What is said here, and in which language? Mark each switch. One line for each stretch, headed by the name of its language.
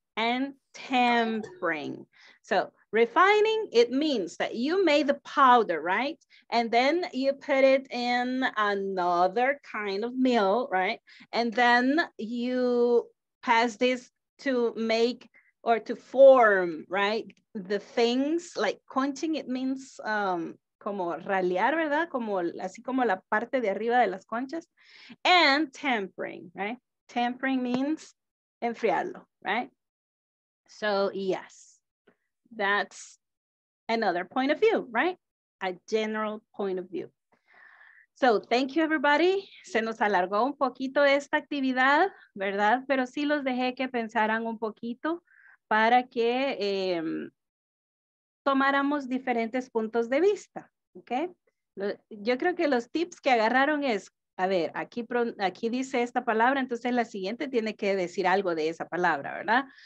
English: and tempering. So refining, it means that you made the powder, right? And then you put it in another kind of mill, right? And then you pass this to make or to form, right? The things, like quenching, it means
Spanish: como raliar, ¿verdad? Como, así como la parte de arriba de las conchas.
English: And tempering, right? Tempering means
Spanish: enfriarlo,
English: right? So yes, that's another point of view, right? A general point of view. So thank you, everybody.
Spanish: Se nos alargó un poquito esta actividad, ¿verdad? Pero sí los dejé que pensaran un poquito para que tomáramos diferentes puntos de vista, ¿ok? Yo creo que los tips que agarraron es, a ver, aquí dice esta palabra, entonces la siguiente tiene que decir algo de esa palabra, ¿verdad?